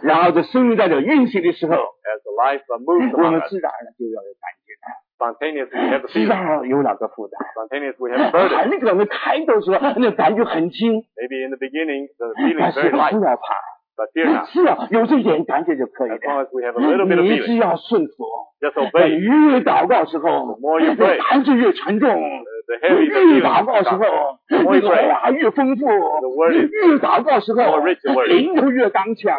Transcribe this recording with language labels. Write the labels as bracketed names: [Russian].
[Chinese] 然后这生命在这运行的时候, [English] as the life moves among us, [Chinese] 我们自然就要有感觉。 [English] Spontaneously we have a feeling. [Chinese] 自然有两个负担。 [English] Spontaneously we have a burden. [Chinese] 那个我们开头说那感觉很轻。 [English] Maybe in the beginning the feeling is very light. [Chinese] 但是不要怕。 [English] But fear not. [Chinese] 是啊，有这点感觉就可以了。 [English] As long as we have a little bit of feeling. [Chinese] 你只要顺服。 [English] Just obey. [Chinese] 越祷告时候，那个感觉越沉重。 [English] The heavy feeling. [Chinese] 越祷告时候，那个话越丰富。 [English] The word is. [Chinese] 越祷告时候，灵就越刚强。